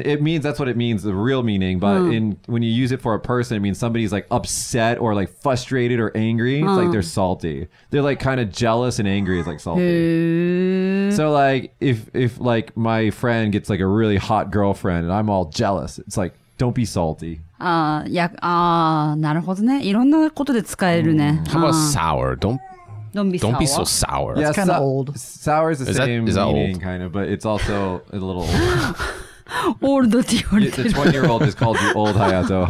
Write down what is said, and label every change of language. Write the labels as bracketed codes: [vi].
[en] It means, that's what it means, the real meaning. But in when you use it for a person, it means somebody's like upset or like frustrated or angry. It's like they're salty. They're like kind of jealous and angry. It's like salty. So like if like my friend gets like a really hot girlfriend and I'm all jealous, it's like, don't be salty. [ja] なるほどね。いろんなことで使えるね。 [en] How about sour? Don't be sour. Don't be so sour. Yeah, it's kind of old. Sour is the is same that, is meaning, kind of, but it's also a little old. Old. The 20-year-old just called you old, Hayato.